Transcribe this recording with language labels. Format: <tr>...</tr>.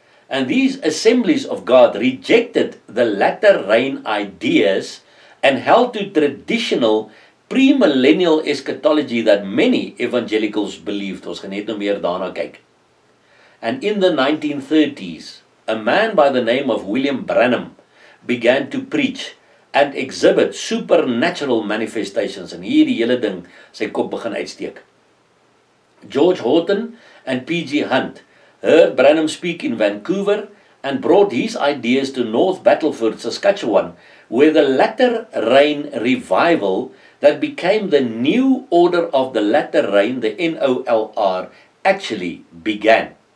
<en>And these Assemblies of God rejected the latter rain ideas and held to traditional premillennial eschatology that many evangelicals believed.</en> <af>Ons gaan net nou meer daarna kyk.</af> <en>And in the 1930s, a man by the name of William Branham began to preach and exhibit supernatural manifestations.</en> <af>En hier die hele ding, sy kop begin uitsteek.</af> <en>George Horton and P.G. Hunt heard Branham speak in Vancouver and brought his ideas to North Battleford, Saskatchewan, where the latter rain revival that became the new order of the latter rain, the N.O.L.R., actually began.</en>